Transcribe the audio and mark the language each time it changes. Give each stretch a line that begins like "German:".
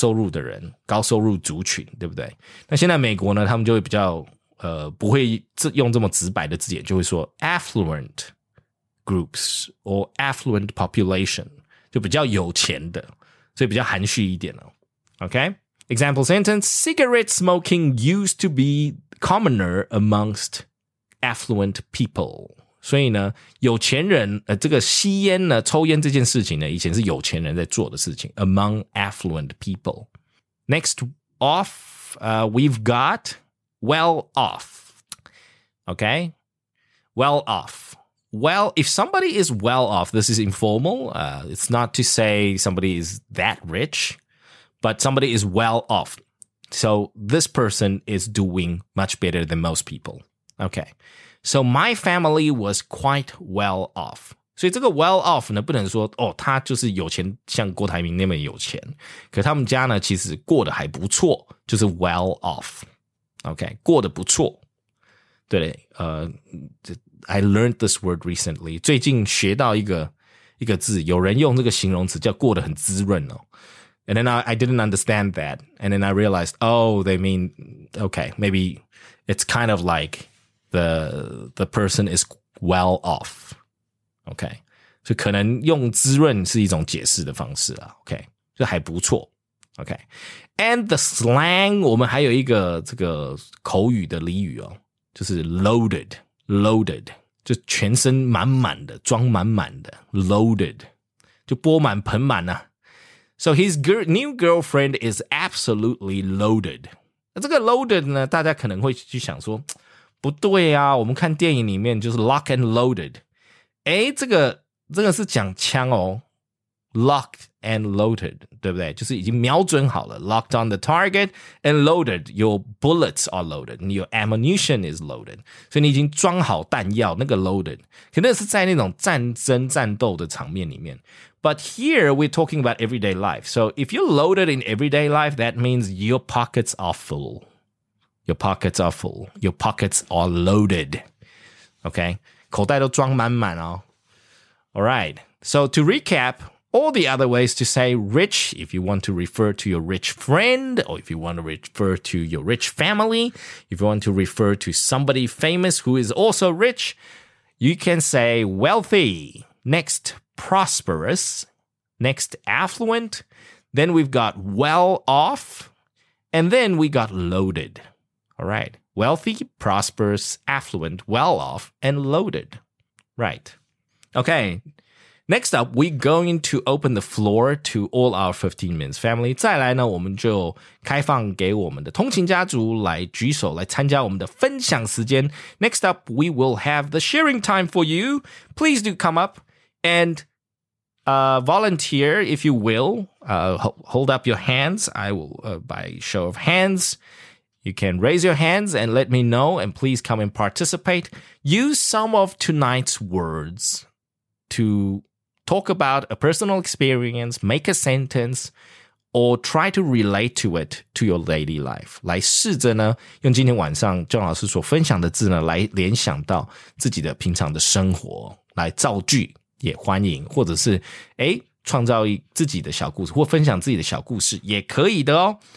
Chinese: 的人高收入族群对不对那现在美国呢他们就会比较不会用这么直白的字眼就会说
English: Affluent groups or affluent population
Chinese: 就比较有钱的所以比较含蓄一点、哦、OK Example sentence
English: Cigarette smoking used to beCommoner amongst affluent people.
Chinese: 所以呢有钱人这个吸烟呢抽烟这件事情呢以前是有钱人在做的事情
English: among affluent people. Next off, we've got well off. Okay? Well off. Well, if somebody is well off, this is informal. It's not to say somebody is that rich, but somebody is well off. So this person is doing much better than most people. Okay. So my family was quite well off.
Chinese: 所以这个 well off 呢不能说哦他就是有钱像郭台铭那么有钱。可他们家呢其实过得还不错就是 well off. Okay. 过得不错。对。
English: I learned this word recently.
Chinese: 最近学到一个字有人用这个形容词叫过得很滋润哦。
English: And then I didn't understand that. And then I realized, oh, they mean, okay, maybe it's kind of like the person is well off. Okay.
Chinese: 所以可能用滋润是一种解释的方式啊。 Okay. 就还不错。Okay.
English: And the slang,
Chinese: 我们还有一个这个口语的俚语哦。就是 loaded. Loaded. 就全身满满的装满满的 loaded. 就钵满盆满啊。
English: So his new girlfriend is absolutely loaded.
Chinese: 这个 loaded 呢大家可能会去想说不对啊我们看电影里面就是
English: lock and loaded.
Chinese: 诶这个是讲枪哦
English: locked and loaded,
Chinese: 对不对就是已经瞄准好了
English: locked on the target and loaded, your bullets are loaded, your ammunition is loaded.
Chinese: 所以你已经装好弹药那个 loaded, 可能是在那种战争战斗的场面里面。
English: But here, we're talking about everyday life. So if you're loaded in everyday life, that means your pockets are full. Your pockets are full. Your pockets are loaded.
Chinese: Okay? 口袋都装满满哦。Alright.
English: So to recap, all the other ways to say rich, if you want to refer to your rich friend, or if you want to refer to your rich family, if you want to refer to somebody famous who is also rich, you can say wealthy. Next. Prosperous, next affluent, then we've got well off, and then we got loaded. All right. Wealthy, prosperous, affluent, well off, and loaded. Right. Okay. Next up, we're going to open the floor to all our 15 Minutes family.
Chinese: 再来呢，我们就开放给我们的通勤家族来举手，来参加我们的分享时间。
English: Next up, we will have the sharing time for you. Please do come up and volunteer if you will. Hold up your hands. I will, by show of hands, you can raise your hands and let me know. And please come and participate. Use some of tonight's words to... Talk about a personal experience, make a sentence, or try to relate to it to your daily life.
Chinese: 来试着呢，用今天晚上郑老师所分享的字呢，来联想到自己的平常的生活，来造句也欢迎，或者是诶，创造自己的小故事，或分享自己的小故事也可以的哦。